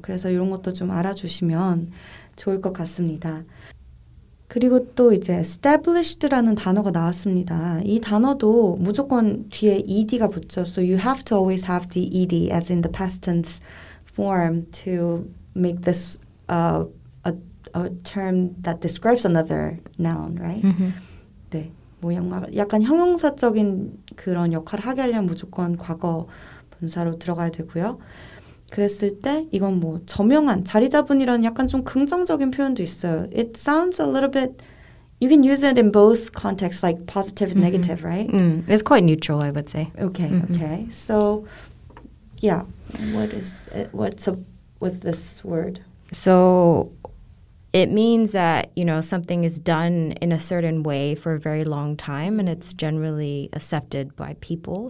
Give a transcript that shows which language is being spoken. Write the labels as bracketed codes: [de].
[ko] 그래서 이런 것도 좀 알아주시면 좋을 것 같습니다. 그리고 또 이제 established라는 단어가 나왔습니다. 이 단어도 무조건 뒤에 ed가 붙죠. [en] So you have to always have the ed as in the past tense form to make this a term that describes another noun, right? Mm-hmm. [ko] 네, 뭐 약간 형용사적인 그런 역할을 하게 하려면 무조건 과거 분사로 들어가야 되고요. 그랬을 때 이건 뭐 저명한, 자리잡은이라는 약간 좀 긍정적인 표현도 있어요. [en] It sounds a little bit, you can use it in both contexts, like positive and mm-hmm. negative, right? Mm. It's quite neutral, I would say. Okay, mm-hmm. okay. So, yeah, what's up with this word? So, it means that, you know, something is done in a certain way for a very long time, and it's generally accepted by people.